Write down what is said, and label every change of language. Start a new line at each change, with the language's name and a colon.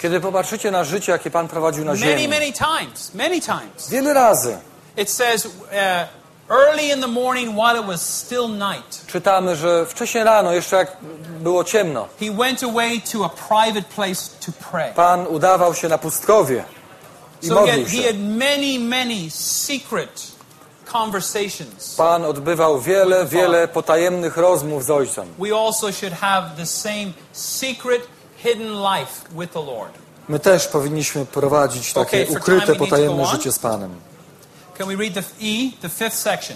Polish: Kiedy popatrzycie na życie, jakie Pan prowadził na ziemi.
English: Many times.
Polish: Wiele razy.
English: It says early in the morning while it was still night.
Polish: Czytamy, że wcześnie rano, jeszcze jak było ciemno.
English: He went away to a private place to pray.
Polish: Pan udawał się na pustkowie i modlił się.
English: He had many, many secret conversations.
Polish: Pan odbywał wiele, wiele potajemnych rozmów z Ojcem.
English: We also should have the same secret hidden life with the Lord.
Polish: My też powinniśmy prowadzić takie ukryte, potajemne życie z Panem.
English: Can we read the fifth section?